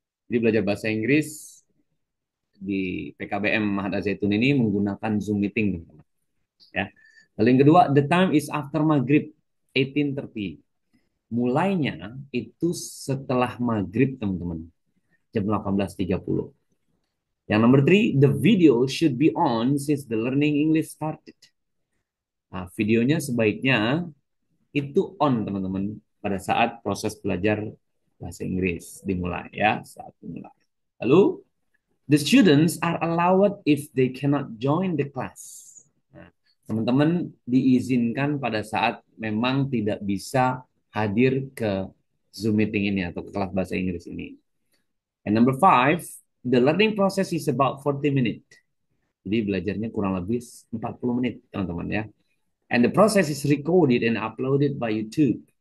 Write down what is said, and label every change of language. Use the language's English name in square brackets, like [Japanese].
[Indonesian] Jadi belajar bahasa Inggris di PKBM Ma'had Az-Zaitun ini menggunakan Zoom meeting. Ya. Lalu yang kedua, [English] the time is after maghrib, 18:30. [Indonesian] Mulainya itu setelah maghrib, teman-teman. Jam 18:30. Yang nomor 3, [English] the video should be on since the learning English started. [Indonesian] Nah, videonya sebaiknya itu on teman-teman pada saat proses belajar bahasa Inggris dimulai ya saat dimulai. [English] Lalu the students are allowed if they cannot join the class. [Indonesian] Teman-teman diizinkan pada saat memang tidak bisa hadir ke Zoom meeting ini atau ke kelas bahasa Inggris ini. [English] And number 5, the learning process is about 40 minutes. [Indonesian] Jadi belajarnya kurang lebih 40 menit teman-teman ya. [English] And the process is recorded and uploaded by YouTube.